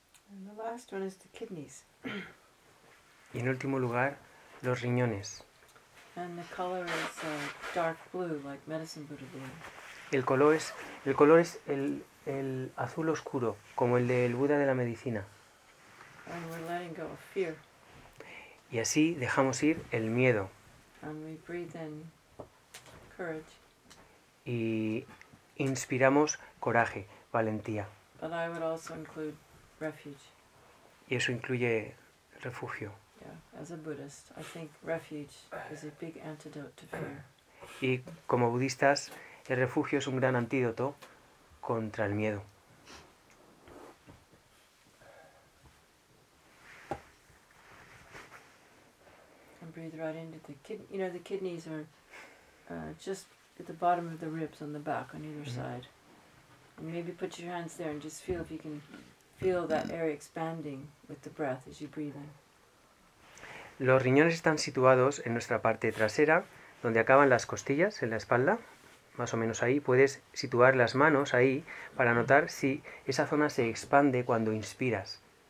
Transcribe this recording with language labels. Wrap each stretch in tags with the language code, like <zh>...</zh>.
<en>And the last one is the kidneys.</en> <es>Y en último lugar, los riñones.</es> <en>And the color is dark blue, like medicine Buddha blue.</en> <es>El color es el azul oscuro, como el del Buda de la medicina.</es> <en>And we're letting go of fear.</en> <es>Y así dejamos ir el miedo.</es> <en>And we breathe in courage.</en> <es>Y inspiramos coraje, valentía.</es> <en>But I would also include refuge.</en> <es>Y eso incluye refugio.</es> <en>Yeah, as a Buddhist, I think refuge is a big antidote to fear.</en> <es>Y como budistas, el refugio es un gran antídoto contra el miedo.</es> <en>And breathe right into the kidney. You know, the kidneys are just at the bottom of the ribs on the back on either side. And maybe put your hands there and just feel if you can. Feel that air expanding with the breath as you breathe in.</en> <es>Los riñones están situados en nuestra parte trasera, donde acaban las costillas, en la espalda. más o menos ahí, puedes situar las manos ahí para notar si esa zona se expande cuando inspiras.</es>